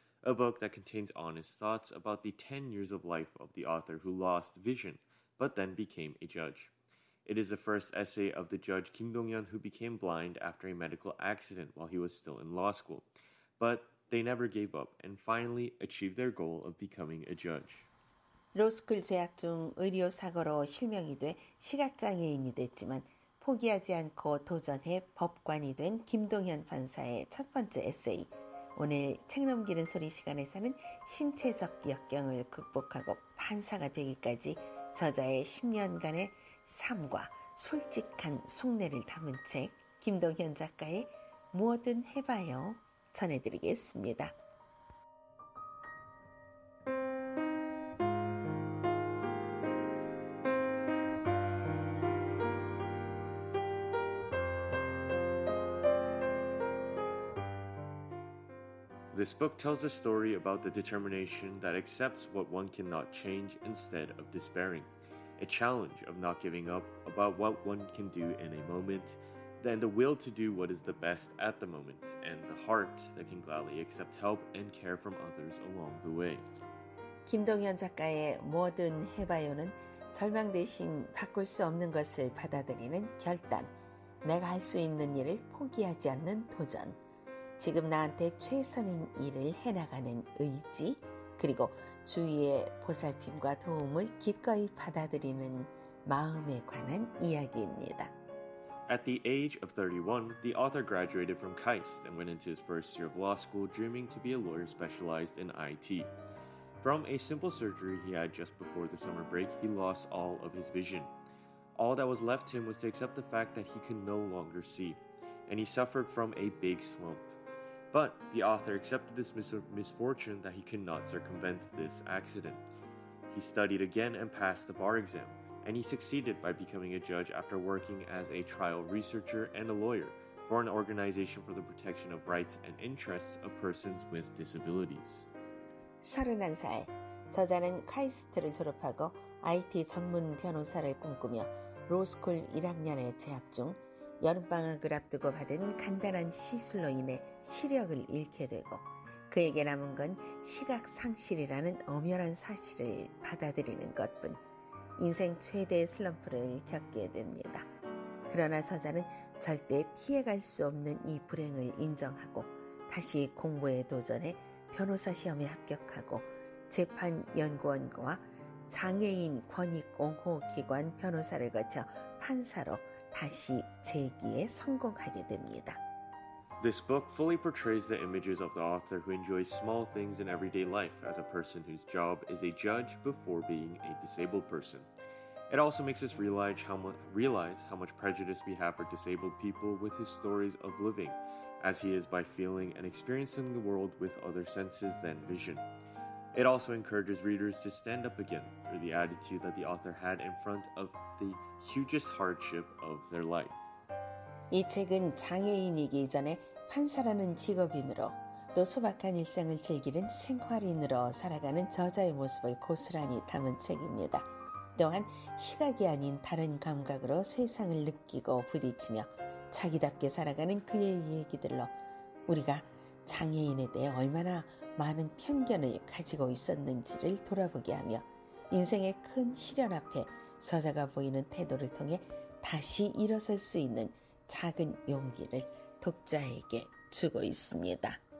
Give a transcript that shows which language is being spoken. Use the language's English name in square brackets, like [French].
[English] A book that contains honest thoughts about the 10 years of life of the author who lost vision, but then became a judge. It is the first essay of the judge Kim Dong-hyun who became blind after a medical accident while he was still in law school. But they never gave up and finally achieved their goal of becoming a judge. [Korean] 로스쿨 재학 중 의료 사고로 실명이 돼 시각장애인이 됐지만 포기하지 않고 도전해 법관이 된 김동현 판사의 첫 번째 에세이. 오늘 책 넘기는 소리 시간에서는 신체적 역경을 극복하고 판사가 되기까지 저자의 10년간의 삶과 솔직한 속내를 담은 책 김동현 작가의 뭐든 해봐요 전해드리겠습니다. 이 책은 스토리 [English] about the determination that accepts what one cannot change instead of despairing. A challenge of not giving up about what one can do in a moment, then the will to do what is the best at the moment, and the heart that can gladly accept help and care from others along the way. [Korean] 김동현 작가의 뭐든 해봐요는 절망 대신 바꿀 수 없는 것을 받아들이는 결단, 내가 할 수 있는 일을 포기하지 않는 도전, 지금 나한테 최선인 일을 해나가는 의지, 그리고 주위의 보살핌과 도움을 기꺼이 받아들이는 마음에 관한 이야기입니다. [English] At the age of 31, the author graduated from KAIST and went into his first year of law school dreaming to be a lawyer specialized in IT. From a simple surgery he had just before the summer break, he lost all of his vision. All that was left him was to accept the fact that he could no longer see, and he suffered from a big slump. But the author accepted this misfortune that he could not circumvent this accident. He studied again and passed the bar exam, and he succeeded by becoming a judge after working as a trial researcher and a lawyer for an organization for the protection of rights and interests of persons with disabilities. [Korean] 31살, 저자는 카이스트를 졸업하고 IT 전문 변호사를 꿈꾸며 로스쿨 1학년에 재학 중 여름방학을 앞두고 받은 간단한 시술로 인해 시력을 잃게 되고 그에게 남은 건 시각상실이라는 엄연한 사실을 받아들이는 것뿐 인생 최대의 슬럼프를 겪게 됩니다. 그러나 저자는 절대 피해갈 수 없는 이 불행을 인정하고 다시 공부에 도전해 변호사 시험에 합격하고 재판연구원과 장애인 권익옹호기관 변호사를 거쳐 판사로 다시 재기에 성공하게 됩니다. [English] This book fully portrays the images of the author who enjoys small things in everyday life as a person whose job is a judge before being a disabled person. It also makes us realize how much prejudice we have for disabled people with his stories of living, as he is by feeling and experiencing the world with other senses than vision. It also encourages readers to stand up again through the attitude that the author had in front of the hugest hardship of their life. [Korean] 이 책은 장애인이기 전에 판사라는 직업인으로 또 소박한 일생을 즐기는 생활인으로 살아가는 저자의 모습을 고스란히 담은 책입니다. 또한 시각이 아닌 다른 감각으로 세상을 느끼고 부딪히며 자기답게 살아가는 그의 이야기들로 우리가 장애인에 대해 얼마나 많은 편견을 가지고 있었는지를 돌아보게 하며 인생의 큰 시련 앞에 저자가 보이는 태도를 통해 다시 일어설 수 있는 작은 용기를 독자에게 주고 있습니다.